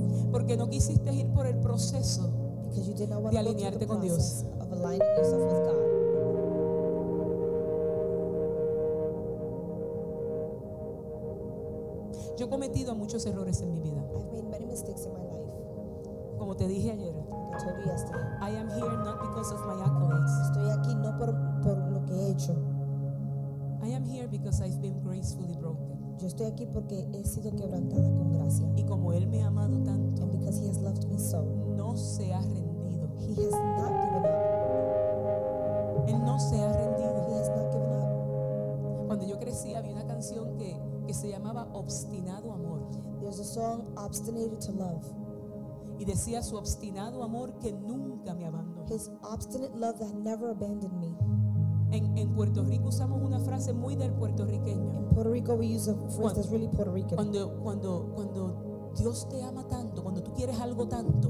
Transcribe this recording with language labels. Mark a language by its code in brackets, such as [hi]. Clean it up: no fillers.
[es] Porque no quisiste ir por el proceso de alinearte con Dios. [en] Of aligning yourself with God. [es] Yo he cometido muchos errores en mi vida. [en] I've made many mistakes in my life. [es] Como te dije ayer, [en] I told you yesterday. I am here not because of my accolades. [es] Estoy aquí no por lo que he hecho. [en] I am here because I've been gracefully broken. [es] Yo estoy aquí porque he sido quebrantada con gracia. Y como él me ha amado tanto, [en] and because he has loved me so, [es] no se ha rendido. [en] He has not given up. [es] Él no se ha rendido. [en] He has not given up. [es] Cuando yo crecí había una canción que se llamaba Obstinado Amor. [en] There's a song, Obstinate to Love. [es] Y decía su obstinado amor que nunca me abandonó. [en] His obstinate love that never abandoned me. [es] En Puerto Rico usamos una frase muy del puertorriqueño. [en] In Puerto Rico we use a phrase that's really Puerto Rican. [es] Cuando Dios te ama tanto, cuando tú quieres algo tanto,